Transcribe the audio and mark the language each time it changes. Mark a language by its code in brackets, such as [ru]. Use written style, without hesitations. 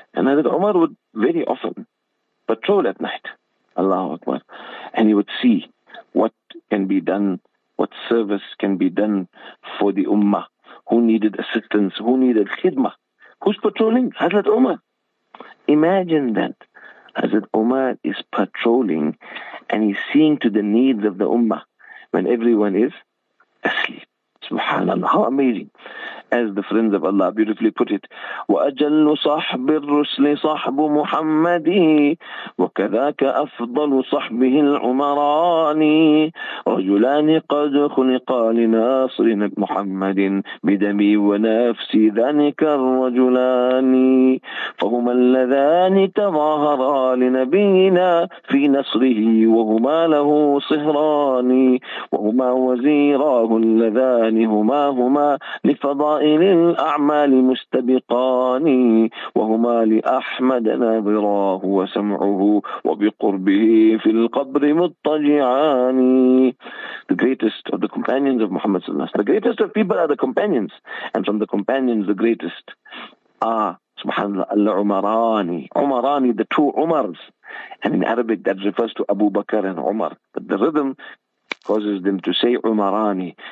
[en] And Hazrat Umar would very often patrol at night, Allahu Akbar, and he would see what can be done, what service can be done for the Ummah, who needed assistance, who needed khidmah. Who's patrolling? Hazrat Umar. Imagine that. Hazrat Umar is patrolling and he's seeing to the needs of the Ummah when everyone is asleep. Subhanallah. How amazing. As the friends of Allah beautifully put it, [ar] وَأَجَلُّ صَحْبِ الرُّسْلِ صَحْبُ مُحَمَّدِي وَكَذَاكَ أَفْضَلُ صَحْبِهِ الْعُمَرَانِ رَجُلَانِ قَدْ خُلِقَا لِنَاصِرٍ مُحَمَّدٍ بِدَمِي وَنَفْسِي ذَنِكَ الرَّجُلَانِ فَهُمَا الَّذَانِ تَظَاهَرَا لِنَبِيِّنَا فِي نَصْرِهِ وَهُمَا لَهُ صِهْرَانِ وَهُمَا وَزِيرَاهُ اللَّذَانِ هُمَا هُمَا فضائل الأعمال مستبقان وهما لأحمد ناظراه وسمعه وبقربه في القبر مضطجعان. [en] The greatest of the companions of Muhammad [ar] صلى الله عليه وسلم. [en] The greatest of people are the companions. And from the companions, the greatest are, subhanAllah, Umarani. Umarani, the two Umars. And in Arabic, that refers to Abu Bakr and Umar. But the rhythm causes them to say Umarani.